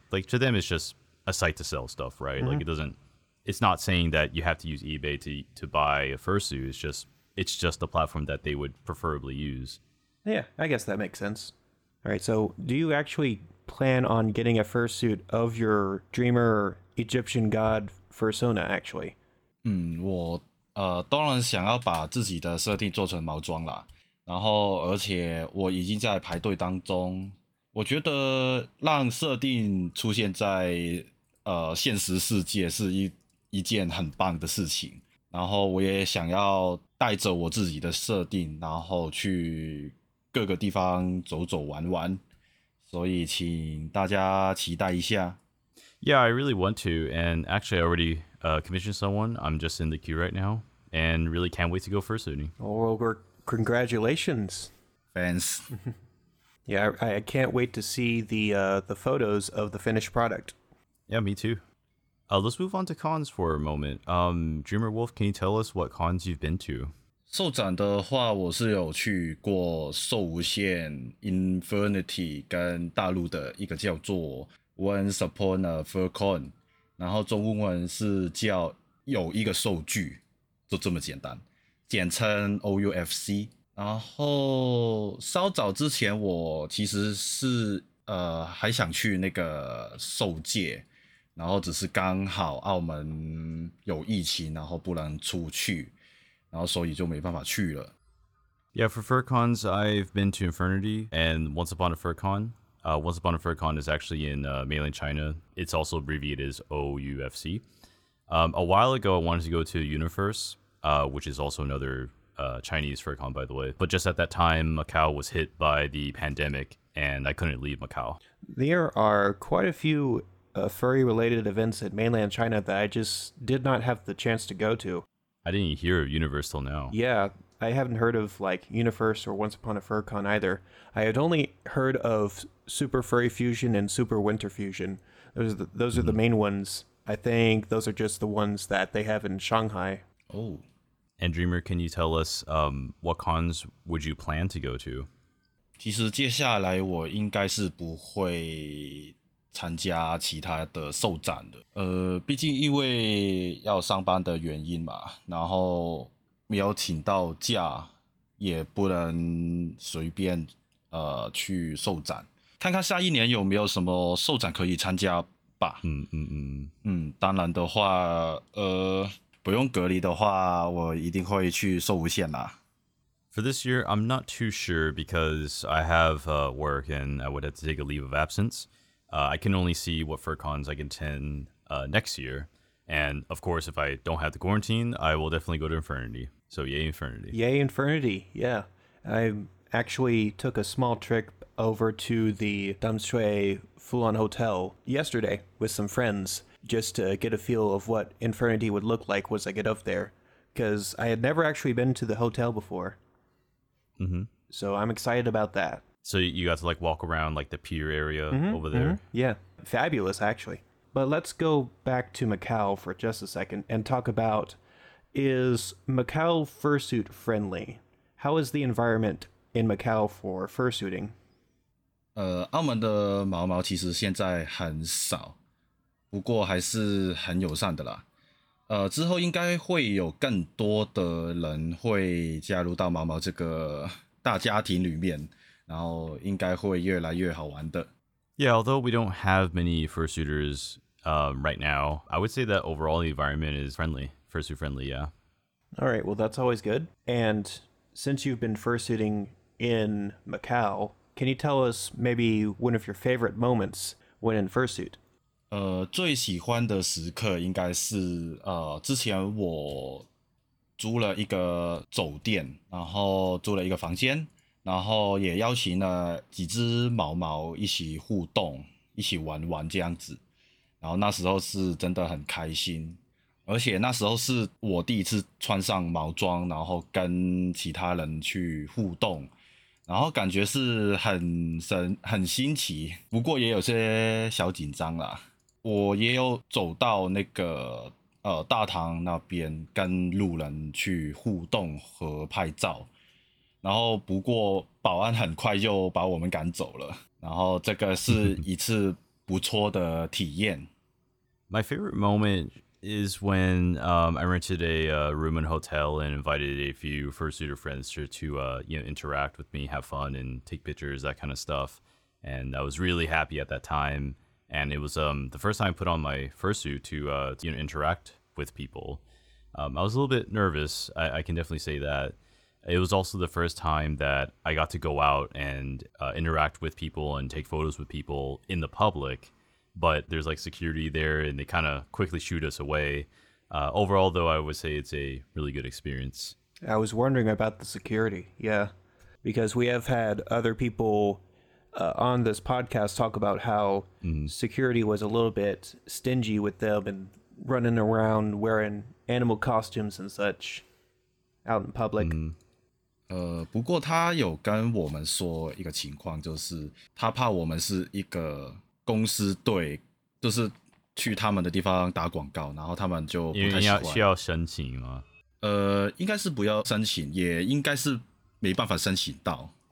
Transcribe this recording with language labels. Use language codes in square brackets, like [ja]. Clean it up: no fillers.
[en] Like to them it's just a site to sell stuff, right? Mm-hmm. Like it's not saying that you have to use eBay to buy a fursuit. It's just a platform that they would preferably use. Yeah, I guess that makes sense. All right, so do you actually plan on getting a fursuit of your dreamer Egyptian god fursona, actually? [zh] 我当然想要把自己的设定做成毛装啦。然后而且我已经在排队当中。我觉得让设定出现在现实世界是一件很棒的事情。然后我也想要带着我自己的设定然后去各个地方走走玩玩，所以请大家期待一下。 [en] Yeah, I really want to, and actually I already commissioned someone. I'm just in the queue right now, and really can't wait to go fursuiting. Well, we're congratulations, fans. Yeah, I can't wait to see the photos of the finished product. Yeah, me too. Let's move on to cons for a moment. Dreamer Wolf, can you tell us what cons you've been to? [zh] 兽展的话，我是有去过兽无限 Infinity 跟大陆的一个叫做 Once Upon a Furcon， 然后中文是叫有一个兽具，就这么简单，简称 OUFC。然后稍早之前，我其实是还想去那个兽界，然后只是刚好澳门有疫情，然后不能出去，然后所以就没办法去了。 [en] Yeah, for Furcons, I've been to Infinity and Once Upon a Furcon. Once Upon a Furcon is actually in mainland China. It's also abbreviated as OUFC. A while ago, I wanted to go to Universe, which is also another Chinese Furcon, by the way. But just at that time, Macau was hit by the pandemic, and I couldn't leave Macau. There are quite a few furry-related events at mainland China that I just did not have the chance to go to. I didn't even hear of Universe till now. Yeah, I haven't heard of like Universe or Once Upon a Furcon either. I had only heard of Super Furry Fusion and Super Winter Fusion. Those are the main ones. I think those are just the ones that they have in Shanghai. Oh. And Dreamer, can you tell us what cons would you plan to go to? [zh] 其实接下来我应该是不会参加其他的兽展的，毕竟因为要上班的原因嘛，然后没有请到假，也不能随便去兽展，看看下一年有没有什么兽展可以参加吧。当然的话，不用隔离的话，我一定会去兽无限啦。 [en] For this year, I'm not too sure because I have work and I would have to take a leave of absence. I can only see what furcons I can attend next year. And of course, if I don't have the quarantine, I will definitely go to Infinity. So yay Infinity. Yay Infinity, yeah. I actually took a small trip over to the Damshui Fulan Hotel yesterday with some friends just to get a feel of what Infinity would look like once I get up there. Because I had never actually been to the hotel before. Mm-hmm. So I'm excited about that. So you got to like walk around like the pier area over there? Mm-hmm. Yeah, fabulous actually. But let's go back to Macau for just a second and talk about, is Macau fursuit friendly? How is the environment in Macau for fursuiting? [zh] 澳门的毛毛其实现在很少，不过还是很友善的啦。之后应该会有更多的人会加入到毛毛这个大家庭里面。然后应该会越来越好玩的。 [en] Yeah, although we don't have many fursuiters right now, I would say that overall the environment is friendly, fursuit friendly, yeah. All right, well, that's always good. And since you've been fursuiting in Macau, can you tell us maybe one of your favorite moments when in fursuit? [zh] 最喜欢的时刻应该是之前我租了一个酒店，然后租了一个房间。然后也邀请了几只毛毛一起互动，一起玩玩这样子。然后那时候是真的很开心，而且那时候是我第一次穿上毛装，然后跟其他人去互动，然后感觉是很新奇，不过也有些小紧张啦。我也有走到那个大堂那边跟路人去互动和拍照。然后不过保安很快就把我们赶走了，然后这个是一次不错的体验。 [en] My favorite moment is when I rented a room in a hotel and invited a few fursuiter friends to interact with me, have fun and take pictures, that kind of stuff. And I was really happy at that time. And it was the first time I put on my fursuit to interact with people. I was a little bit nervous, I can definitely say that. It was also the first time that I got to go out and interact with people and take photos with people in the public, but there's like security there and they kind of quickly shoot us away. Overall, though, I would say it's a really good experience. I was wondering about the security, yeah, because we have had other people on this podcast talk about how security was a little bit stingy with them and running around wearing animal costumes and such out in public. Mm-hmm. [zh] 不过他有跟我们说一个情况，就是他怕我们是一个公司队，就是去他们的地方打广告，然后他们就不太喜欢。因为需要申请吗？应该是不要申请，也应该是没办法申请到